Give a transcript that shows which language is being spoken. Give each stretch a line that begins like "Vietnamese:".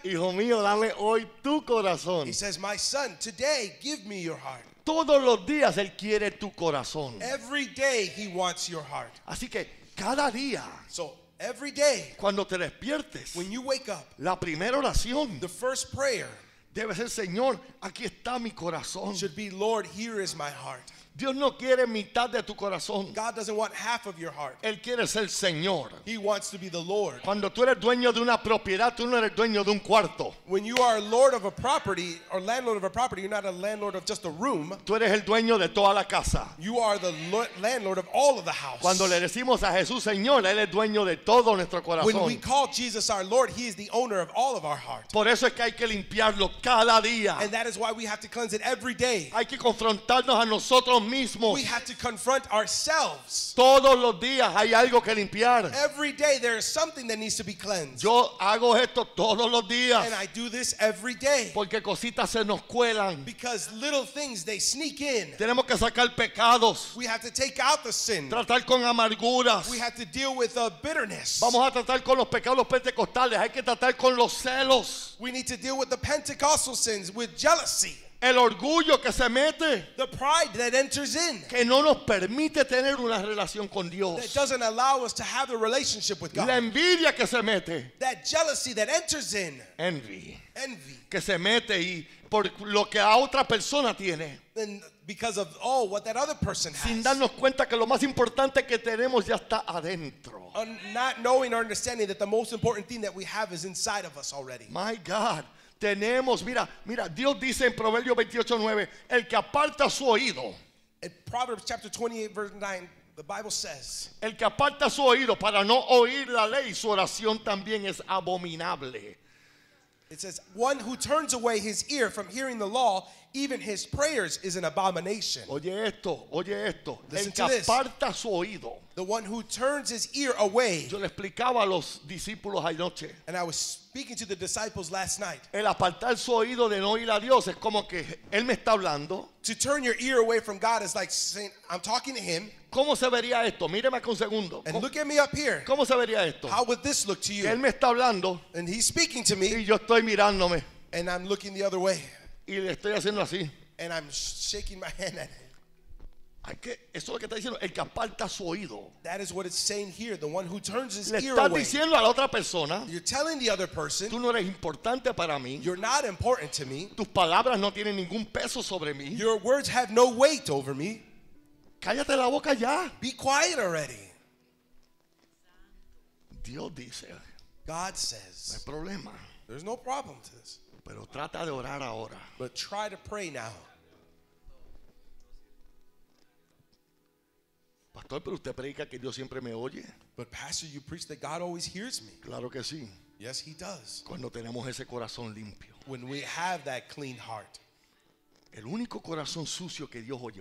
Spanish: Hijo mío, dame hoy tu corazón.
English: He says, my son, today, give me your heart.
Spanish: Todos los días él quiere tu corazón.
English: Every day he wants your heart.
Spanish: Así que cada día.
English: So every day.
Spanish: Cuando te despiertes.
English: When you wake up.
Spanish: La primera oración.
English: The first prayer.
Spanish: Debe ser, Señor, aquí está mi corazón.
English: Should be, Lord, here is my heart.
Spanish: Dios no quiere mitad de tu corazón.
English: God doesn't want half of your heart.
Spanish: Él quiere ser Señor.
English: He wants to be the Lord.
Spanish: Cuando tú eres dueño de una propiedad, tú no eres dueño de un cuarto.
English: When you are lord of a property or landlord of a property, you're not a landlord of just a room.
Spanish: Tú eres el dueño de toda la casa.
English: You are the landlord of all of the house.
Spanish: Cuando le decimos a Jesús Señor, Él es dueño de todo nuestro corazón.
English: When we call Jesus our Lord, He is the owner of all of our heart.
Spanish: Por eso es que hay que limpiarlo cada día.
English: And that is why we have to cleanse it every day.
Spanish: Hay que confrontarnos a nosotros mismos.
English: We have to confront ourselves.
Spanish: Todos los días hay algo que limpiar.
English: Every day there is something that needs to be cleansed.
Spanish: Yo hago esto todos los días.
English: And I do this every day.
Spanish: Porque cositas se nos cuelan.
English: Because little things they sneak in.
Spanish: Tenemos que sacar pecados.
English: We have to take out the sin.
Spanish: Tratar con amarguras.
English: We have to deal with the bitterness.
Spanish: Vamos a tratar con los pecados pentecostales. Hay que tratar con los celos.
English: We need to deal with the Pentecostal sins, with jealousy.
Spanish: El orgullo que se mete,
English: the pride that enters in,
Spanish: que no nos permite tener una relación con Dios,
English: that doesn't allow us to have a relationship with God.
Spanish: La envidia que se mete,
English: that jealousy that enters in,
Spanish: envy, que se mete y por lo que a otra persona tiene,
English: and because of oh, what that other person has,
Spanish: sin darnos cuenta que lo más importante que tenemos ya está adentro,
English: not knowing or understanding that the most important thing that we have is inside of us already. My God.
Spanish: Tenemos, mira, Dios dice en Proverbios 28:9, el que aparta su oído.
English: In Proverbs chapter 28 verse 9, the Bible says,
Spanish: el que aparta su oído para no oír la ley, su oración también es abominable.
English: It says, one who turns away his ear from hearing the law, even his prayers is an abomination.
Spanish: Oye esto.
English: Listen
Spanish: el que aparta
English: this,
Spanish: su oído.
English: The one who turns his ear away.
Spanish: Yo le explicaba a los discípulos anoche.
English: And I was speaking to the disciples last night.
Spanish: El apartar su oído de no oír a Dios es como que él me está hablando.
English: To turn your ear away from God is like saying, I'm talking to him.
Spanish: ¿Cómo se vería esto? Míreme acá un segundo.
English: And look at me up here.
Spanish: ¿Cómo se vería esto?
English: How would this look to you?
Spanish: Él me está hablando.
English: And he's speaking to me.
Spanish: Y yo estoy mirándome.
English: And I'm looking the other way.
Spanish: Y le estoy haciendo así.
English: And I'm shaking my hand at him.
Spanish: Eso es lo que está diciendo el que aparta su oído.
English: That is what it's saying here, the one who turns his ear away.
Spanish: Le está diciendo a la otra persona.
English: You're telling the other person.
Spanish: Tú no eres importante para mí.
English: You're not important to me.
Spanish: Tus palabras no tienen ningún peso sobre mí.
English: Your words have no weight over me.
Spanish: Cállate la boca ya.
English: Be quiet already.
Spanish: Dios dice.
English: God says.
Spanish: No hay problema.
English: There's no problem to this.
Spanish: Pero trata de orar ahora.
English: But try to pray now.
Spanish: Pastor, pero usted predica que Dios siempre me oye.
English: But pastor, you preach that God always hears me.
Spanish: Claro que sí.
English: Yes, he does.
Spanish: Cuando tenemos ese corazón limpio.
English: When we have that clean heart.
Spanish: El único corazón sucio que Dios oye.